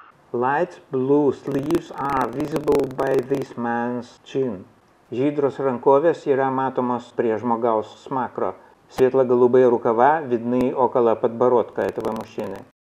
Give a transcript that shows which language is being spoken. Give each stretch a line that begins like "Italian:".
English: Light blue sleeves are visible by this man's chin.
Lithuanian: Žydros rankovės yra matomos prie žmogaus smakro.
Russian: Светла голубая рукава видны около подбородка этого мужчины.